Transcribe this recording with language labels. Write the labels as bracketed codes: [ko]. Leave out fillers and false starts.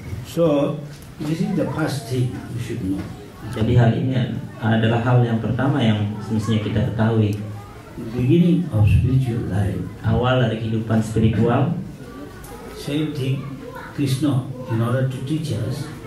[en] So, this is the first thing you should know. [id] Jadi hal ini adalah hal yang pertama yang semestinya kita ketahui. [en] Beginning of spiritual life. [id] Awal dari kehidupan spiritual. [en] Same thing, Krishna, in order to teach us.